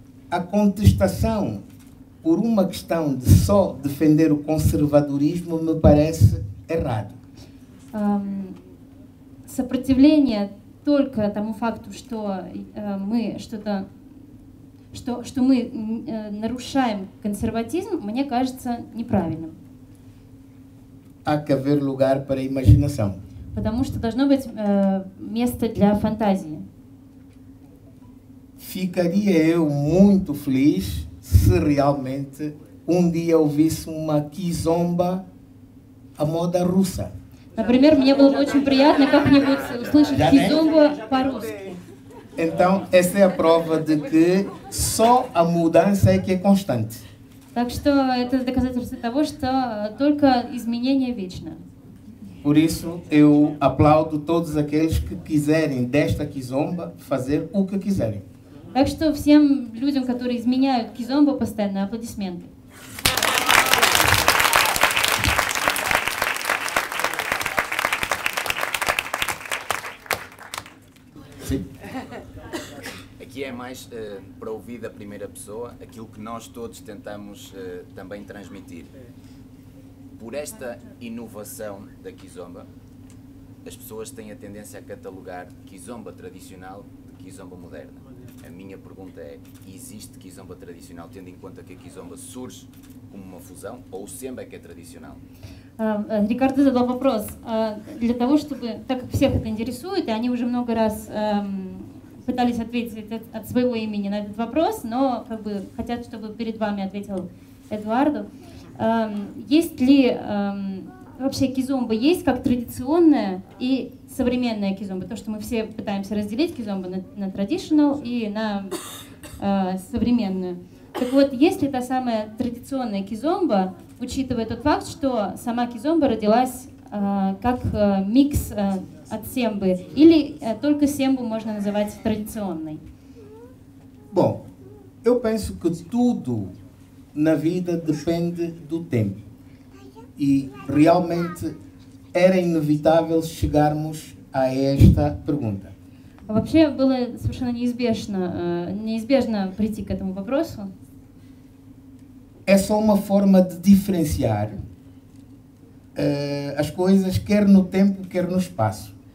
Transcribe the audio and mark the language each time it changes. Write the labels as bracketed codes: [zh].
[pt] A contestação por uma questão de só defender o conservadorismo me parece errado. [ru] Сопротивление только тому факту, что мы что-то, что мы нарушаем консерватизм, мне кажется неправильным. [pt] Há que haver lugar para a imaginação. [ru] Потому что должно быть место для фантазии. [pt] Ficaria eu muito feliz se realmente dia ouvisse uma kizomba à moda russa. [ru] Например, мне было бы очень приятно как-нибудь услышать кизомбу по-русски. [pt] Então, essa é a prova de que só a mudança é que é constante. [ru] Так что это доказательство того, что только изменение вечно. [pt] Por isso eu aplaudo todos aqueles que quiserem desta kizomba fazer o que quiserem. [ru] Так что всем людям, которые изменяют кизомбу постоянно, аплодисменты. [pt] É mais para ouvir da primeira pessoa aquilo que nós todos tentamos também transmitir. Por esta inovação da kizomba, as pessoas têm a tendência a catalogar kizomba tradicional de kizomba moderna. A minha pergunta é, existe kizomba tradicional, tendo em conta que a kizomba surge como uma fusão, ou o semba que é tradicional? [ru] Ricardo задал вопрос. Для того, чтобы, так как всех это интересует, и они уже много раз пытались ответить от своего имени на этот вопрос, но как бы хотят, чтобы перед вами ответил Эдуардо. Есть ли вообще кизомба, есть как традиционная и современная кизомба? То, что мы все пытаемся разделить кизомбу на traditional и на современную. Так вот, есть ли та самая традиционная кизомба, учитывая тот факт, что сама кизомба родилась как микс от сембы, или только сембу можно называть традиционной? [pt] Bom, eu penso que tudo na vida depende do tempo. E realmente era inevitável chegarmos a esta pergunta. [ru] Вообще было совершенно неизбежно прийти к этому вопросу. [pt] É só uma forma de diferenciar as coisas, quer no tempo, quer no espaço.